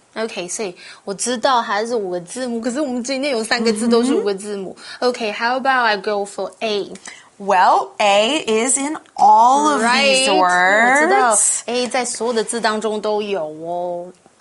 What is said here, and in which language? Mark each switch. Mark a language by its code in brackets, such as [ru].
[zh] Okay, 所以我知道它是五个字母，可是我们今天有三个字都是五个字母。 [en] Okay, how about I go for A? Well, A is in all of these words. [zh] 我知道 A 在所有的字当中都有哦。